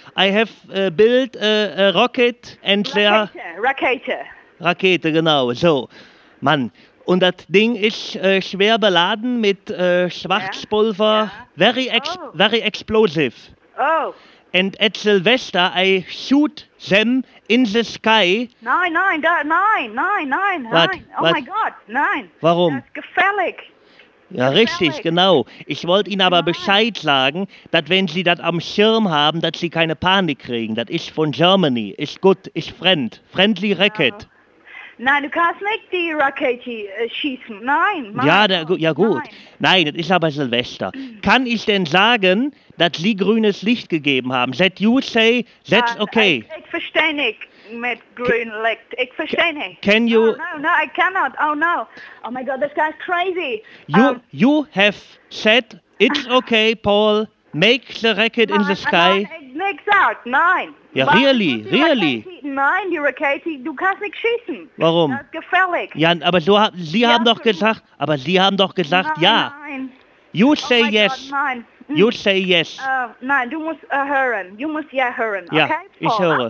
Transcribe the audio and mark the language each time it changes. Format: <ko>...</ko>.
<en>I have built a rocket and</en> <de>there... Rakete. Rakete, genau, so. Mann. Und das Ding ist schwer beladen mit Schwarzpulver.</de> <en>Yeah. Very explosive. Oh. And at Sylvester, I shoot them in the sky.</en> <de>Nein. Warum? Das ist gefährlich. Ja, richtig, genau. Ich wollte Ihnen aber Bescheid sagen, dass wenn Sie das am Schirm haben, dass Sie keine Panik kriegen. Das ist von</de> <en>Germany.</en> <de>Ist gut, ist</de> <en>friend. Friendly Racket.</en> <de>Nein, du kannst nicht die Rakete schießen. Nein. Ja, gut. Nein, das ist aber Sylvester. Kann ich denn sagen, dass Sie grünes Licht gegeben haben?</de> <en>That's okay.</en> <de>Ich verstehe nicht mit grünem Licht. Ich verstehe nicht.</de> <en>Can you... No, I cannot. Oh, no. Oh, my God, this guy's crazy. You have said, it's okay, Paul. Make the racket in the sky.</en> <de>Nein. Ja,</de> <en>really, really.</en> <de>Nein, die Rakete, du kannst nicht schießen. Warum? Das ist gefährlich. Jan, aber so, Sie haben doch gesagt, nein, ja. Nein.</de> <en>You say yes. You say yes.</en> <de>Nein, du musst hören. Du musst ja hören. Ja,</de> <en>okay?</en> <de>Ich höre.</de>